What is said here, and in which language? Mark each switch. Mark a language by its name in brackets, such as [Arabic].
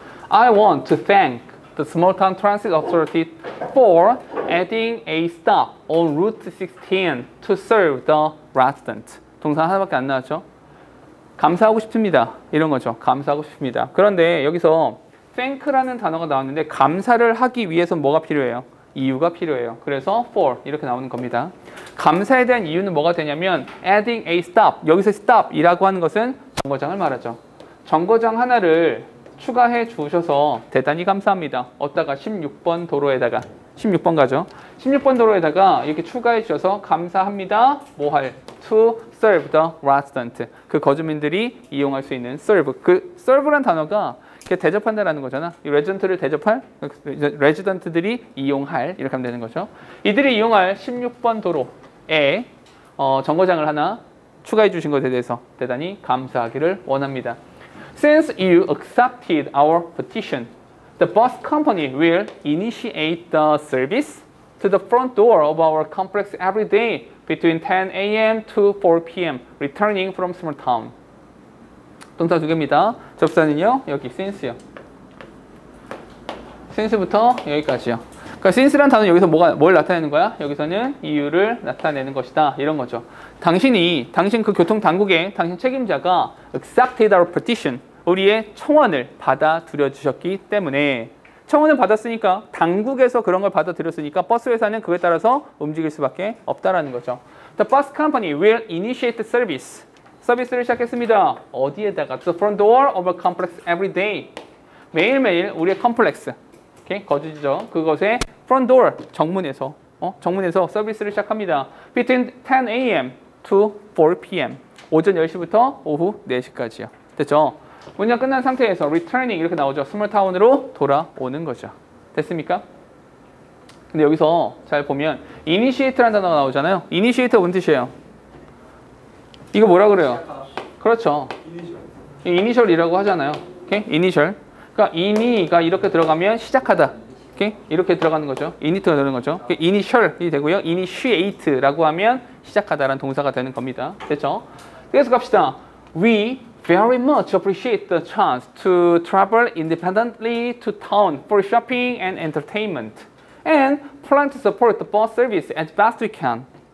[English] I want to thank the Small Town Transit Authority for adding a stop on Route 16 to serve the resident. [Korean] 동사 하나밖에 안 나왔죠? 감사하고 싶습니다. 이런 거죠. 감사하고 싶습니다. 그런데 여기서 thank라는 단어가 나왔는데 감사를 하기 위해서 뭐가 필요해요? 이유가 필요해요. 그래서 for 이렇게 나오는 겁니다. 감사에 대한 이유는 뭐가 되냐면 [English] adding a stop, [Korean] 여기서 stop이라고 하는 것은 정거장을 말하죠. 정거장 하나를 추가해 주셔서 대단히 감사합니다. 어디다가 16번 도로에다가 16번 가죠. 16번 도로에다가 이렇게 추가해 주셔서 감사합니다. 뭐할? [English] To serve the resident. [Korean] 그 거주민들이 이용할 수 있는 serve. 그 serve란 단어가 대접한다라는 거잖아. 이 레지던트를 대접할, 레지던트들이 이용할, 이렇게 하면 되는 거죠. 이들이 이용할 16번 도로에 정거장을 하나 추가해 주신 것에 대해서 대단히 감사하기를 원합니다. [English] Since you accepted our petition, the bus company will initiate the service to the front door of our complex every day between 10 a.m. to 4 p.m. returning from small town. [Korean] 동사 두 개입니다. 접사는요, 여기 since요. since부터 여기까지요. 그러니까 since란 단어는 여기서 뭐가, 뭘 나타내는 거야? 여기서는 이유를 나타내는 것이다. 이런 거죠. 당신 그 교통당국의 당신 책임자가 [English] accepted our petition. [Korean] 우리의 청원을 받아들여 주셨기 때문에 청원을 받았으니까 당국에서 그런 걸 받아들였으니까 버스 회사는 그에 따라서 움직일 수밖에 없다라는 거죠. [English] The bus company will initiate the service. [Korean] 서비스를 시작했습니다. 어디에다가? [English] The front door of a complex every day. [Korean] 매일매일 우리의 컴플렉스, 오케이? 거주지죠. 그것의 front door, 정문에서, 정문에서 서비스를 시작합니다. [English] Between 10 a.m. to 4 p.m. [Korean] 오전 10시부터 오후 4시까지요. 됐죠? 운영 끝난 상태에서 returning 이렇게 나오죠. 스몰타운으로 돌아오는 거죠. 됐습니까? 근데 여기서 잘 보면 initiate라는 단어가 나오잖아요. initiate가 뭔 뜻이에요? 이거 뭐라 그래요? 그렇죠. 이니셜이라고 하잖아요. 오케이? 이니셜. 그러니까 이니가 이렇게 들어가면 시작하다. 오케이? 이렇게 들어가는 거죠. 이니트가 되는 거죠. 이니셜이 되고요. 이니시에이트라고 하면 시작하다라는 동사가 되는 겁니다. 됐죠? 계속 갑시다. [English] We very much appreciate the chance to travel independently to town for shopping and entertainment and plan to support the bus service as best we can.